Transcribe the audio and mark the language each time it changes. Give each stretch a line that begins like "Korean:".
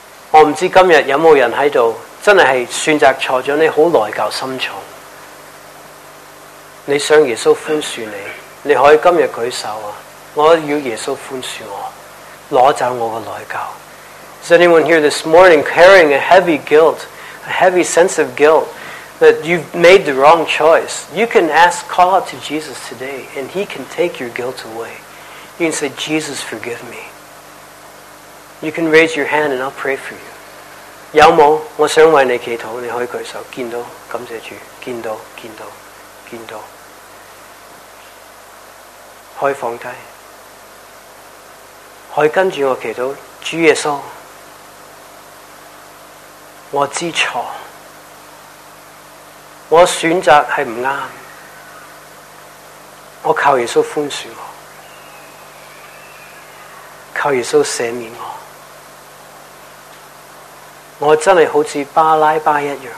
Chinese: 我不知道今天有没有人在这里真的是选择错了，你很内疚深重，你想耶稣宽恕你，你可以今天举手，我要耶稣宽恕我，拿走我的内疚。
English: Is anyone here this morning carrying a heavy guilt, a heavy sense of guilt that you've made the wrong choice? You can ask, call out to Jesus today and he can take your guilt away. You can say, Jesus, forgive me. You can raise your hand and I'll pray for you.
Chinese: 有没有我想为你祈祷，你可以举手。见到，感谢主，见到，见到，见到，可以放低，可以跟着我祈祷。主耶稣，我知错，我选择是不对，我靠耶稣宽恕我，靠耶稣赦免我，我真的好像巴拉巴一样，